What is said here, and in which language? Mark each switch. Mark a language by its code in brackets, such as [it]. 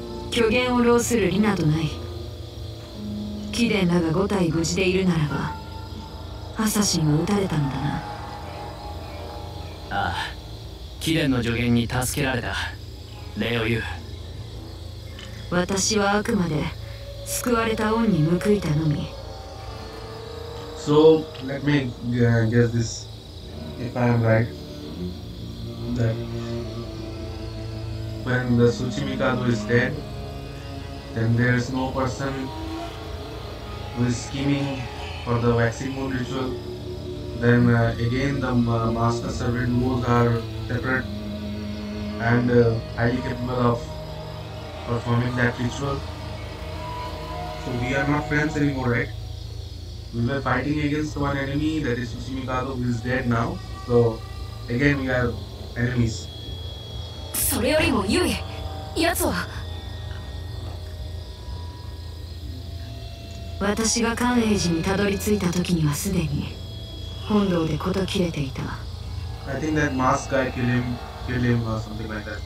[ja] 虚言を弄するリナとない。貴殿らが五体無事でいるならば、アサシンを撃たれたのだな。ああ、貴殿の助言に助けられた。礼を言う。私はあくまで救われた恩に報いたのみ。 [en] So, let me guess this, if I am right, that when the Tsuchimikado is dead, then there is no person who is scheming for the waxing moon ritual, then again the master servant moons are separate. And highly capable of performing that ritual. So we are not friends anymore, right? We were fighting against one enemy, that is Tsuchimikado, who is dead now. So again, we are enemies. [ja] それよりもユイ、やつは。私が寛永寺にたどり着いた時にはすでに本堂でこと切れていた。 [en] I think that mask guy killed him. Like、